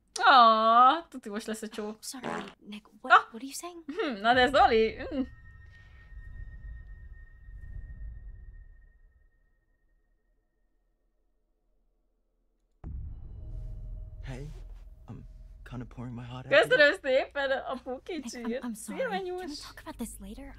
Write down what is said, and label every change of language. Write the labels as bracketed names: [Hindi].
[Hungarian] Aww, tutti most lesz a csó. [English] Sorry, Nick, what are you saying? [Hungarian] Na de Zoli! [English] Hey, I'm kind of pouring my heart out. [Hungarian] Köszönöm szépen, apu kicsi. [English] I'm sorry, can we talk about this later?